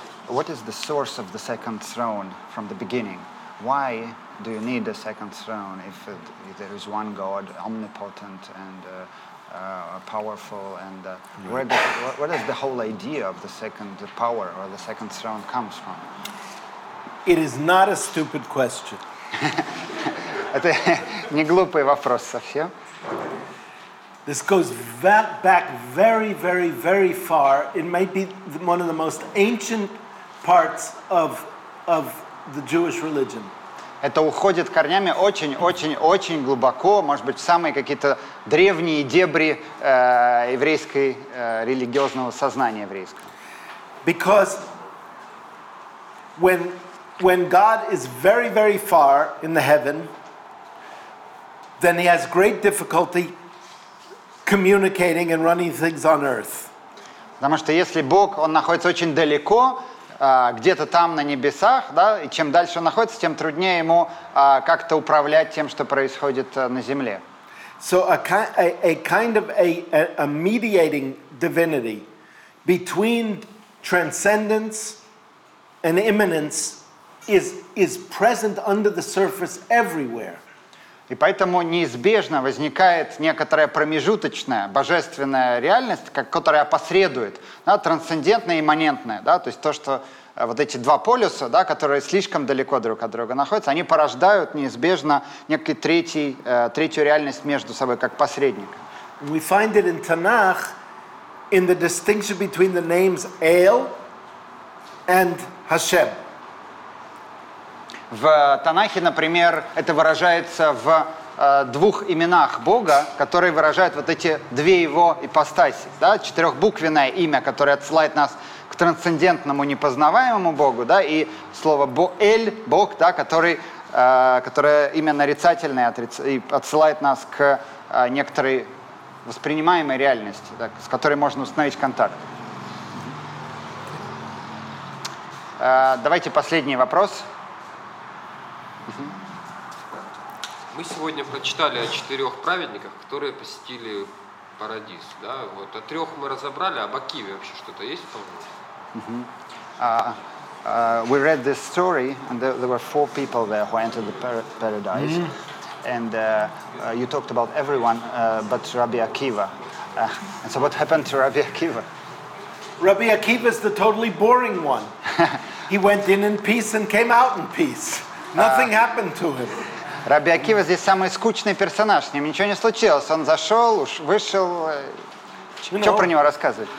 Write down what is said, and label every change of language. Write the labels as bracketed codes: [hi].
[en] what is the source of the second throne from the beginning? Why do you need a second throne if there is one God, omnipotent and powerful? And where does the whole idea of the second power or the second throne comes from? It is not a stupid question. [ru] Это не глупый вопрос совсем. [en] This goes back very, very, very far. It may be one of the most ancient parts of the Jewish religion. [ru] Это уходит корнями очень-очень-очень глубоко, может быть, в самые какие-то древние дебри еврейской религиозного сознания еврейского. [en] Because when God is very, very far in the heaven, then he has great difficulty communicating and running things on earth. [ru] Потому что если Бог, он находится очень далеко, где-то там на небесах, да, и чем дальше он находится, тем труднее ему как-то управлять тем, что происходит на земле. [en] So a kind of a mediating divinity between transcendence and immanence is present under the surface everywhere. [ru] И поэтому неизбежно возникает некоторая промежуточная божественная реальность, которая опосредует, да, трансцендентная и имманентная, да, то есть то, что вот эти два полюса, да, которые слишком далеко друг от друга находятся, они порождают неизбежно некий третью реальность между собой, как посредник. [en] We find it in Tanakh in the distinction between the names El and Hashem. [ru] В Танахе, например, это выражается в двух именах Бога, которые выражают вот эти две его ипостаси. Да? Четырехбуквенное имя, которое отсылает нас к трансцендентному непознаваемому Богу, да, и слово «Бо-эль» – Бог, да, который, которое имя нарицательное и отсылает нас к некоторой воспринимаемой реальности, да, с которой можно установить контакт. Давайте последний вопрос. Мы сегодня прочитали о четырех праведниках, которые посетили Парадис. Да? Вот. О трех мы разобрали, об Акиве вообще что-то есть, по-моему? Mm-hmm. [en] We read this story, and there were four people there who entered the paradise. Mm-hmm. And you talked about everyone but Rabbi Akiva. And so what happened to Rabbi Akiva? Rabbi Akiva is the totally boring one. He went in peace and came out in peace. Nothing happened to him. [ru] Rabbi Akiva здесь самый скучный персонаж. С ним ничего не случилось. Он зашел, вышел. Что про него рассказывать?